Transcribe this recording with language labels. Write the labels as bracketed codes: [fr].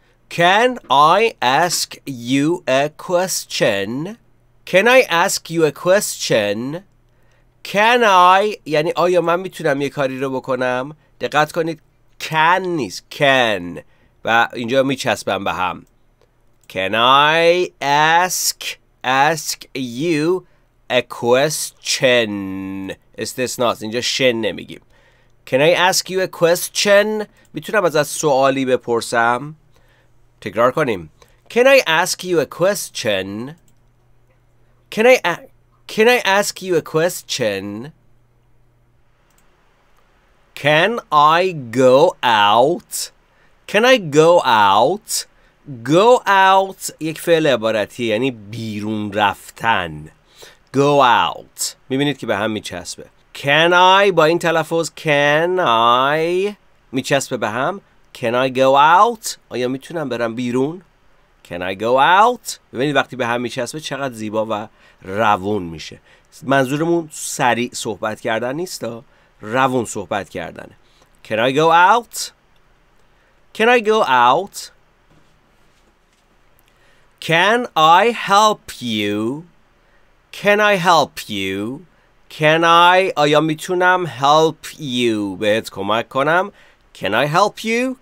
[en] Can I ask you a question? Can I ask you a question? [fa] Can I یعنی آیا من میتونم یه کاری رو بکنم؟ دقت کنید can نیست، can، و اینجا میچسبم به هم. [en] Can I ask you a question؟ [fa] استثناست، اینجا شن نمیگیم. [en] Can I ask you a question؟ [fa] میتونم از سوالی بپرسم؟ تکرار کنیم. [en] Can I ask you a question? Can I ask you a question? Can I go out? Can I go out? [fa] Go out یک فعل عبارتیه، یعنی بیرون رفتن. Go out. میبینید که به هم میچسبه. Can I با این تلفظ can I میچسبه به هم. [en] Can I go out؟ [fa] آیا میتونم برم بیرون؟ Can I go out؟ ببینید وقتی به هم میچسبه چقدر زیبا و روون میشه. منظورمون سریع صحبت کردن نیست، روون صحبت کردنه. [en] Can I go out؟ Can I go out؟ Can I help you? Can I help you? Can I [fa] آیا میتونم [en] help you [fa] بهت کمک کنم؟ [en] Can I help you?